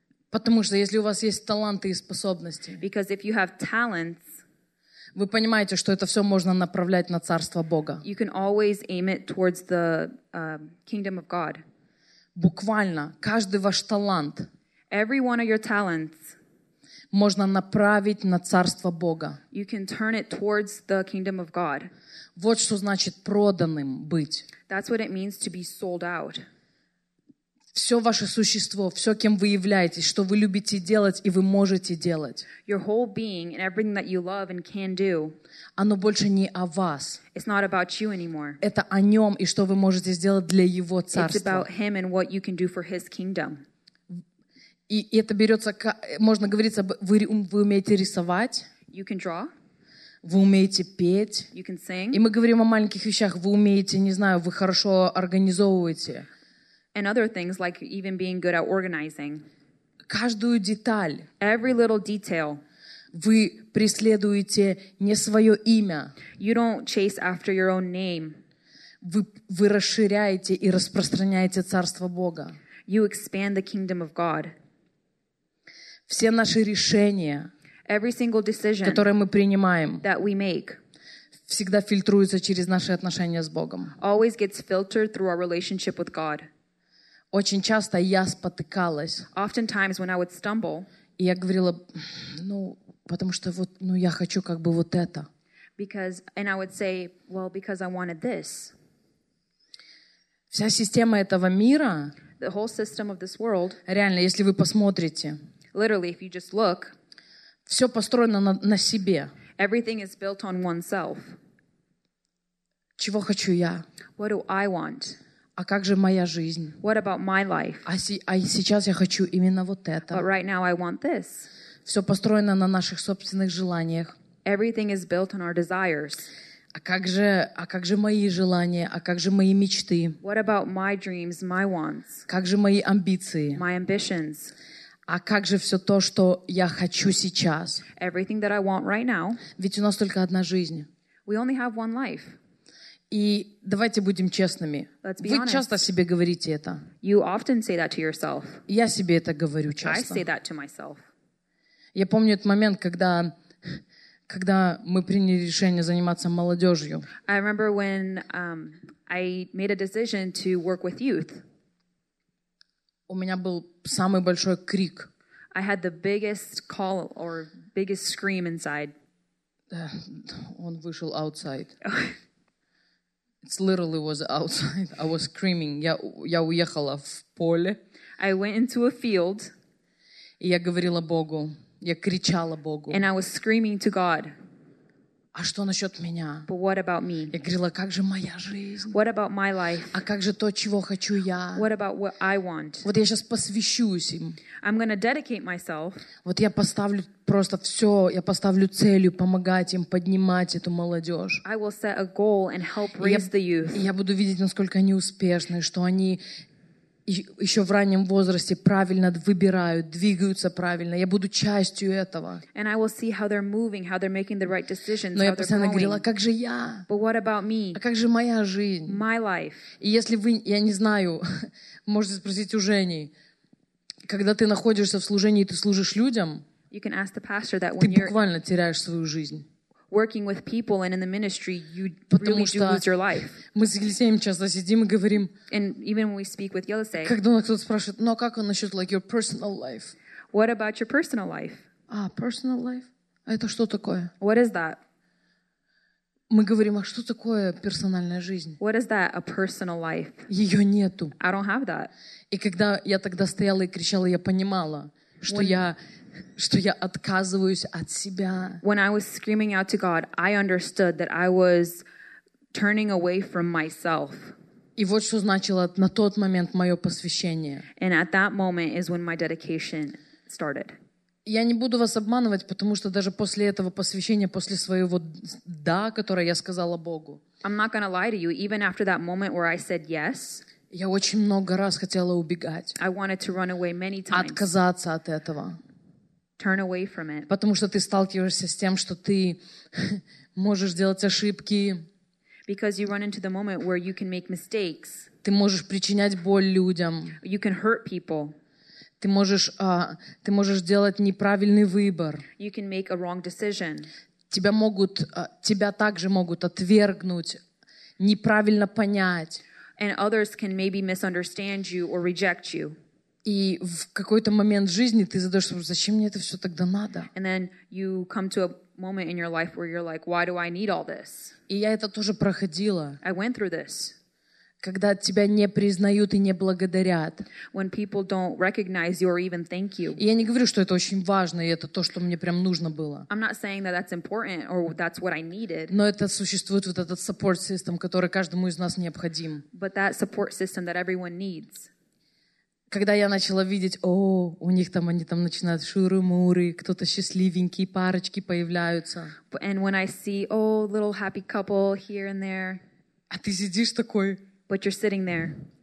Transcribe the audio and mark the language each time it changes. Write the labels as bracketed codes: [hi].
[ru] Потому что если у вас есть таланты и способности, [en] because if you have talents, [ru] вы понимаете, что это все можно направлять на Царство Бога. [en] You can always aim it towards the kingdom of God. [ru] Буквально, каждый ваш талант, [en] every one of your talents, [ru] можно направить на Царство Бога. [en] You can turn it towards the kingdom of God. [ru] Вот что значит проданным быть. [en] That's what it means to be sold out. [ru] Все ваше существо, все, кем вы являетесь, что вы любите делать и вы можете делать. [en] Your whole being and everything that you love and can do. [ru] Оно больше не о вас. [en] It's not about you anymore. [ru] Это о нем и что вы можете сделать для его царства. [en] It's about him and what you can do for his kingdom. [ru] И это берется, можно говорить, вы умеете рисовать. [en] You can draw. [ru] Вы умеете петь. [en] You can sing. [ru] И мы говорим о маленьких вещах. Вы умеете, не знаю, вы хорошо организовываете. [en] And other things, like even being good at organizing. [ru] Каждую деталь. [en] Every little detail. [ru] Вы преследуете не свое имя. [en] You don't chase after your own name. [ru] Вы расширяете и распространяете Царство Бога. [en] You expand the kingdom of God. [ru] Все наши решения, [en] every single decision, [ru] которые мы принимаем, [en] that we make, [ru] всегда фильтруются через наши отношения с Богом. [en] Always gets filtered through our relationship with God. [ru] Очень часто я спотыкалась. [en] Oftentimes when I would stumble, [ru] и я говорила, ну, потому что вот, ну, я хочу как бы вот это. [en] Because, and I would say, well, because I wanted this. [ru] Вся система этого мира, [en] the whole system of this world, [ru] реально, если вы посмотрите, [en] literally, if you just look, [ru] все построено на себе. [en] Everything is built on oneself. [ru] Чего хочу я? [en] What do I want? [ru] А как же моя жизнь? [en] What about my life? [ru] А сейчас я хочу именно вот это. [en] But right now I want this. [ru] Все построено на наших собственных желаниях. [en] Everything is built on our desires. [ru] А как же мои желания? А как же мои мечты? [en] What about my dreams, my wants? [ru] Как же мои амбиции? [en] My ambitions. [ru] А как же все то, что я хочу сейчас? [en] Everything that I want right now. [ru] Ведь у нас только одна жизнь. [en] We only have one life. [ru] И давайте будем честными. [en] Let's be [ru] вы [en] honest. [ru] Часто себе говорите это. [en] You often say that to yourself. [ru] Я себе это говорю часто. [en] I say that to myself. [ru] Я помню этот момент, когда мы приняли решение заниматься молодежью. [en] I remember when I made a decision to work with youth. [ru] У меня был самый большой крик. [en] I had the biggest call or biggest scream inside. [ru] Он вышел [en] outside. It's literally was outside. I was screaming. [ru] Я уехала в поле. [en] I went into a field. [ru] И я говорила Богу. Я кричала Богу. [en] And I was screaming to God. [ru] А что насчет меня? [en] But what about me? [ru] Я говорила, как же моя жизнь? [en] What about my life? [ru] А как же то, чего хочу я? [en] What about what I want? [ru] Вот я сейчас посвящусь им. [en] I'm gonna dedicate myself. [ru] Вот я поставлю просто все, я поставлю целью помогать им поднимать эту молодежь. [en] I will set a goal and help raise the youth. [ru] И я буду видеть, насколько они успешны, что они еще в раннем возрасте правильно выбирают, двигаются правильно. Я буду частью этого. [en] And I will see how they're moving, how they're making the right decisions. [ru] Но я постоянно говорила, как же я? [en] But what about me? [ru] А как же моя жизнь? [en] My life. [ru] И если вы, я не знаю, можете спросить у Жени, когда ты находишься в служении и ты служишь людям, [en] you can ask the pastor that when [ru] ты буквально теряешь свою жизнь. [en] Working with people and in the ministry, you really do lose your life. [ru] Мы с Елисеем часто сидим и говорим. [en] And even when we speak with Елисей. [ru] Когда у нас кто-то спрашивает, ну а как он насчет [en] like your personal life? What about your personal life? [ru] А, [en] personal life? [ru] А это что такое? [en] What is that? [ru] Мы говорим, а что такое персональная жизнь? [en] What is that, a personal life? [ru] Ее нету. [en] I don't have that. [ru] И когда я тогда стояла и кричала, я понимала, что [en] when... [ru] я отказываюсь от себя. [en] When I was screaming out to God, I understood that I was turning away from myself. [ru] И вот что значило на тот момент мое посвящение. [en] And at that moment is when my dedication started. [ru] Я не буду вас обманывать, потому что даже после этого посвящения, после своего «да», которое я сказала Богу, [en] I'm not gonna lie to you, even after that moment where I said yes, [ru] я очень много раз хотела убегать. [en] I wanted to run away many times. [ru] Отказаться от этого. [en] Turn away from it. [ru] Потому что ты сталкиваешься с тем, что ты можешь делать ошибки. [en] Because you run into the moment where you can make mistakes. [ru] Ты можешь причинять боль людям. [en] You can hurt people. [ru] Ты можешь делать неправильный выбор. [en] You can make a wrong decision. [ru] Тебя могут, тебя также могут отвергнуть, неправильно понять. [en] And others can maybe misunderstand you or reject you. [ru] И в какой-то момент жизни ты задаешься, зачем мне это все тогда надо? [en] And then you come to a moment in your life where you're like, why do I need all this? [ru] И я это тоже проходила. [en] I went through this. [ru] Когда тебя не признают и не благодарят. [en] When people don't recognize you or even thank you. [ru] И я не говорю, что это очень важно, и это то, что мне прям нужно было. [en] I'm not saying that that's important or that's what I needed. [ru] Но это существует вот этот [en] support system, [ru] который каждому из нас необходим. [en] But that support system that everyone needs. [ru] Когда я начала видеть, о, у них там они там начинают шуры-муры, кто-то счастливенький, парочки появляются. [en] And when I see, oh, little happy couple here and there. [ru] А ты сидишь такой. [en] But you're sitting there.